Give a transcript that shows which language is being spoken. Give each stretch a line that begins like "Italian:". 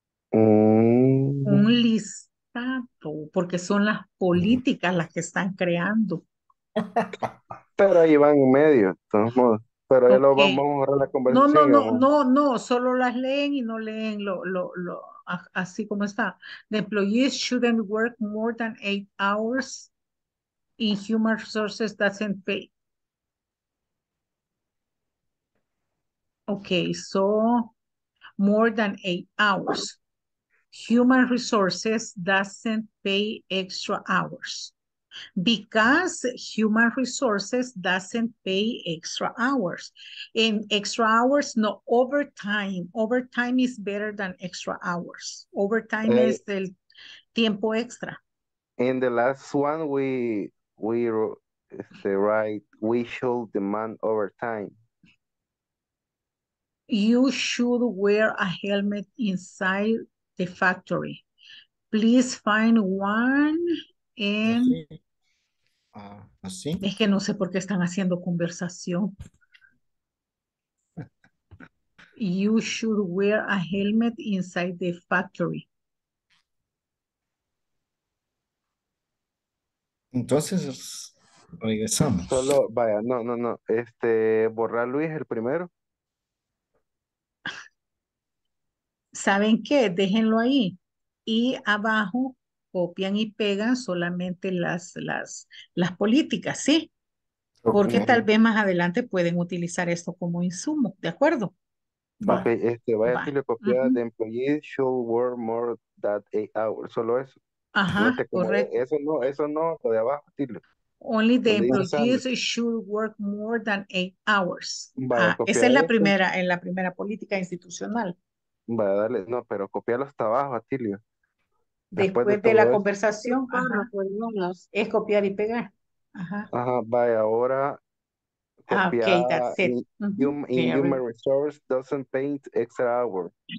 Spanish: Un listado, porque son las políticas las que están creando. Pero ahí van en medio, pero ya okay. Lo vamos a borrar la conversación. No, solo las leen y no leen lo así como está.
English: The employees shouldn't work more than 8 hours in human resources doesn't pay. Okay, so more than 8 hours. Human resources doesn't pay extra hours. Because human resources doesn't pay extra hours. In extra hours, no, overtime. Overtime is better than extra hours. Overtime is the tiempo extra. In the last one, we should demand overtime. You should wear a helmet inside the factory. Please find one and
Spanish: así. Es que no sé por qué están haciendo conversación.
English: You should wear a helmet inside the factory.
Spanish: Entonces regresamos. Solo vaya, no. Borra Luis el primero. ¿Saben qué? Déjenlo ahí. Y abajo copian y pegan solamente las políticas, ¿sí? Porque tal vez más adelante pueden utilizar esto como insumo, ¿de acuerdo? Ok, vaya, si le copia de
English: employees should work more than 8 hours,
Spanish: solo eso. Ajá, correcto. Eso no, lo de abajo, tíle.
English: Only the employees should work more than 8 hours.
Spanish: Esa es la primera política institucional. Va, dale, no, pero copialo hasta abajo, Atilio. Después de la conversación, pues, es copiar y pegar. Ajá. Ajá, vaya, ahora.
English: Copia, okay, that's it. Human resource doesn't pay extra hours.